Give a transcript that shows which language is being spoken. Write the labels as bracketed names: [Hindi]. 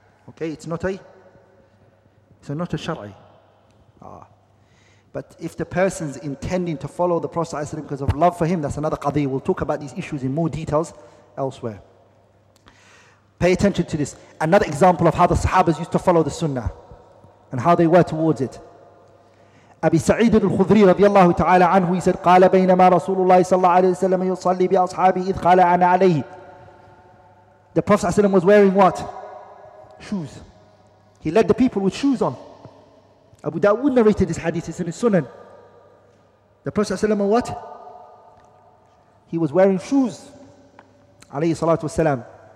[English] Okay, it's not a, it's not a shar'i. Ah. But if the person's intending to follow the Prophet because of love for him, that's another qadi. We'll talk about these issues in more details elsewhere. Pay attention to this. Another example of how the Sahabas used to follow the sunnah and how they were towards it. [Arabic] أبي سعيد الخضري رضي الله تعالى عنه يسأل قال بينما رسول الله صلى الله عليه وسلم يصلي بأصحابه إذ قال أنا عليه. [English] The Prophet صلى الله عليه وسلم was wearing what? Shoes. He led the people with shoes on. Abu Dawood narrated this hadith, it's in his Sunan. The Prophet ﷺ, what? He was wearing shoes, alayhi salatu wasalam.